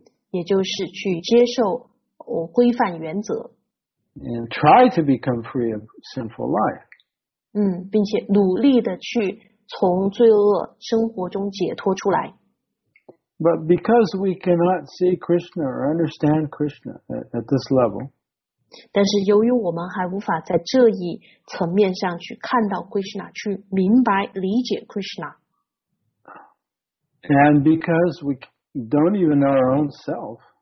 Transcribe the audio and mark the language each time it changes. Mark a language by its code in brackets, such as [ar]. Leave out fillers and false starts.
[zh] 也就是去接受规范原则, [en] and try to become free of sinful life. [zh] 并且努力地去从罪恶生活中解脱出来。 [en] But because we cannot see Krishna or understand Krishna at this level, [zh] 但是由于我们还无法在这一层面上去看到 Krishna, 去明白理解 Krishna, [en] and because we don't even know our own self.